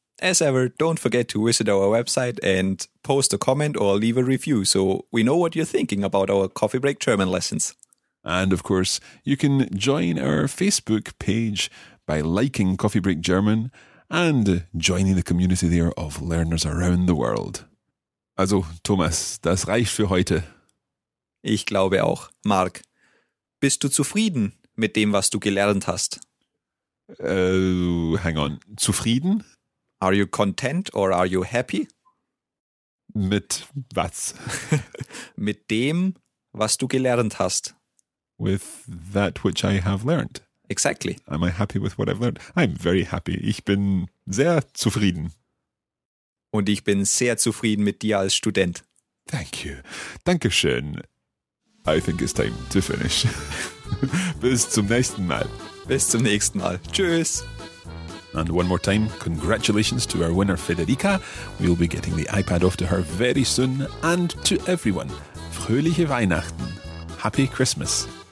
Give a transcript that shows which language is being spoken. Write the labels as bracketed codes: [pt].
[en] As ever, don't forget to visit our website and post a comment or leave a review so we know what you're thinking about our Coffee Break German lessons. And of course, you can join our Facebook page by liking Coffee Break German and joining the community there of learners around the world. [de] Also, Thomas, das reicht für heute. Ich glaube auch. Mark, bist du zufrieden mit dem, was du gelernt hast? [en] Hang on. Zufrieden? Are you content or are you happy? [de] Mit was? Mit dem, was du gelernt hast. [en] With that which I have learned. Exactly. Am I happy with what I've learned? I'm very happy. [de] Ich bin sehr zufrieden. Und ich bin sehr zufrieden mit dir als Student. [en] Thank you. Dankeschön. I think it's time to finish. [de] Bis zum nächsten Mal. Bis zum nächsten Mal. Tschüss. [en] And one more time, congratulations to our winner, Federica. We'll be getting the iPad off to her very soon. And to everyone, [de] fröhliche Weihnachten. [en] Happy Christmas.